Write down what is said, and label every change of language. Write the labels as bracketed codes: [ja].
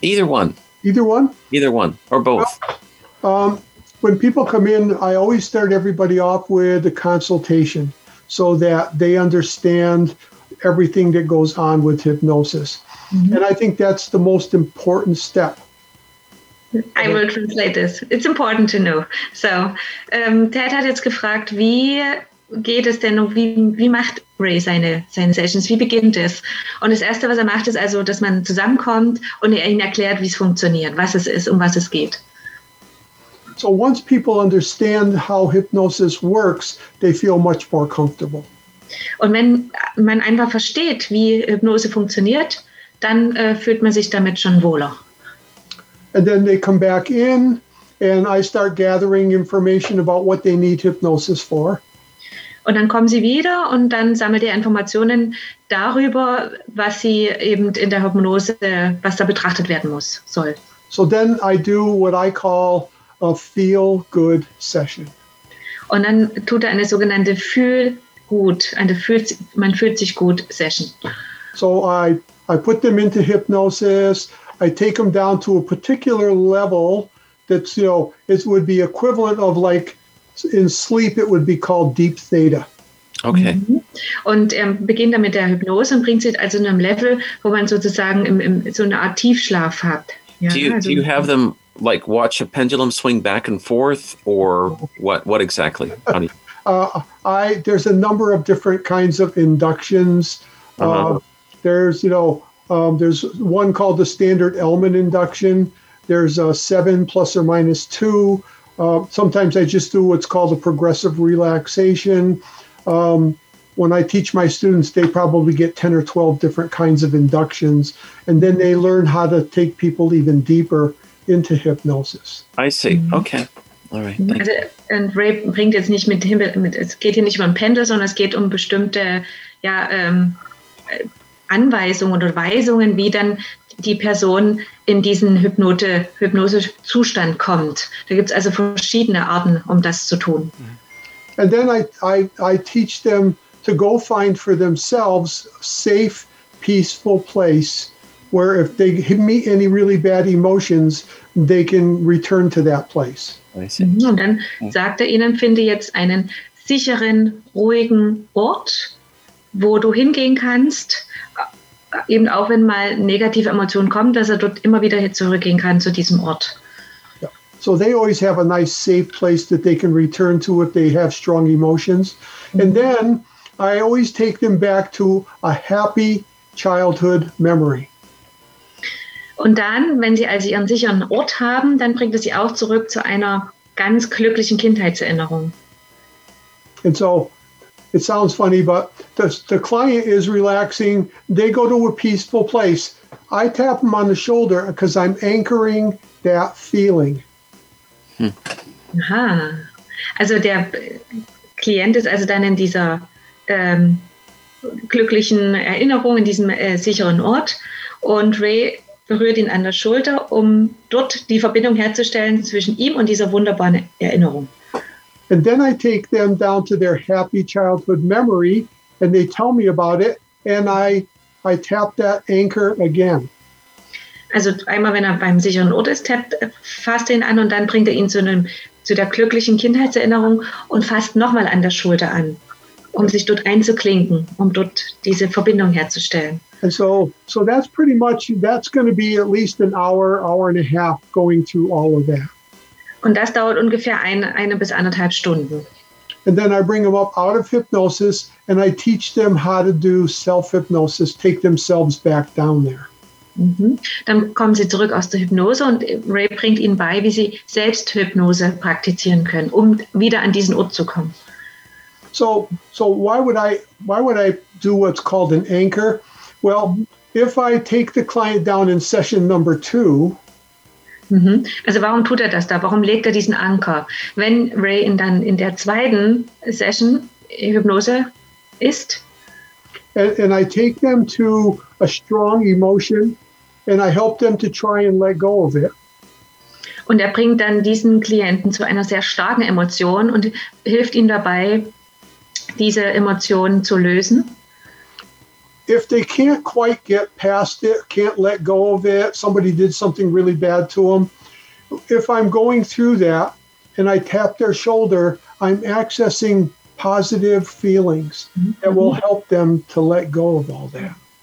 [en] Either one or both. Well, when people come in, I always start everybody off with a consultation so that they understand everything that goes on with hypnosis. Mm-hmm. And I think that's the most important step. I will translate this. It's important to know. [de] So Ted hat jetzt gefragt, wie geht es denn und wie macht Ray seine Sessions? Wie beginnt es? Und das Erste, was er macht, ist also, dass man zusammenkommt und er ihnen erklärt, wie es funktioniert, was es ist, um was es geht. [en] So once people understand how hypnosis works, they feel much more comfortable. [de] Und wenn man einfach versteht, wie Hypnose funktioniert, dann fühlt man sich damit schon wohler. [en] And then they come back in and I start gathering information about what they need hypnosis for. [de] Und dann kommen sie wieder und dann sammelt ihr Informationen darüber, was sie eben in der Hypnose, was da betrachtet werden muss, soll. [en] So then I do what I call a feel-good session. [de] Und dann tut er eine sogenannte Fühl-gut, man fühlt sich gut Session. [en] So I put them into hypnosis, I take them down to a particular level that's, you know, it would be equivalent of like, in sleep, it would be called deep theta. Okay. [de] Und er beginnt dann mit der Hypnose und bringt sie also in einem Level, wo man sozusagen so eine Art Tiefschlaf hat. [en] Ja, do you have them like watch a pendulum swing back and forth, or what? What exactly? There's a number of different kinds of inductions. Uh-huh. There's one called the standard Elman induction. There's a 7 ± 2. Sometimes I just do what's called a progressive relaxation. When I teach my students, they probably get 10 or 12 different kinds of inductions. And then they learn how to take people even deeper into hypnosis. I see. Okay. All right. Thank you. [de] Also, and Ray bringt jetzt nicht mit Himmel, es geht hier nicht um Pendel, sondern es geht um bestimmte Anweisungen oder Weisungen, wie dann die Person in diesen Hypnose-Zustand kommt. Da gibt es also verschiedene Arten, um das zu tun. [en] And then I teach them to go find for themselves a safe, peaceful place where if they meet any really bad emotions, they can return to that place. I see. Mm-hmm. [de] Und dann sagt ihnen, finde jetzt einen sicheren, ruhigen Ort, wo du hingehen kannst, eben auch wenn mal negative Emotionen kommen, dass er dort immer wieder zurückgehen kann zu diesem Ort. [en] Yeah. So they always have a nice safe place that they can return to if they have strong emotions. Mm-hmm. And then I always take them back to a happy childhood memory. [de] Und dann, wenn sie also ihren sicheren Ort haben, dann bringt es sie auch zurück zu einer ganz glücklichen Kindheitserinnerung. [en] And so, it sounds funny, but the client is relaxing. They go to a peaceful place. I tap them on the shoulder because I'm anchoring that feeling. Hm. Aha. [de] Also der Klient ist also dann in dieser glücklichen Erinnerung, in diesem sicheren Ort. Und Ray berührt ihn an der Schulter, um dort die Verbindung herzustellen zwischen ihm und dieser wunderbaren Erinnerung. [en] And then I take them down to their happy childhood memory and they tell me about it and I tap that anchor again. [de] Also einmal, wenn er beim sicheren Ort ist, tappt, fasst ihn an und dann bringt er ihn zu der glücklichen Kindheitserinnerung und fasst nochmal an der Schulter an, um sich dort einzuklinken, um dort diese Verbindung herzustellen. [en] And so that's pretty much, that's going to be at least an hour and a half going through all of that. [de] Und das dauert ungefähr eine bis anderthalb Stunden. [en] And then I bring them up out of hypnosis and I teach them how to do self-hypnosis, take themselves back down there. Mm-hmm. [de] Dann kommen sie zurück aus der Hypnose und Ray bringt ihnen bei, wie sie Selbsthypnose praktizieren können, um wieder an diesen Ort zu kommen. [en] So why would I do what's called an anchor? Well, if I take the client down in session number two. [de] Mm-hmm. Also warum tut er das da? Warum legt er diesen Anker? Wenn Ray dann in der zweiten Session Hypnose ist. [en] And I take them to a strong emotion and I help them to try and let go of it. [de] Und bringt dann diesen Klienten zu einer sehr starken Emotion und hilft ihm dabei, diese Emotion zu lösen. [en] If they can't quite get past it, can't let go of it, somebody did something really bad to them. If I'm going through that and I tap their shoulder, I'm accessing positive feelings that will help them to let go of all that.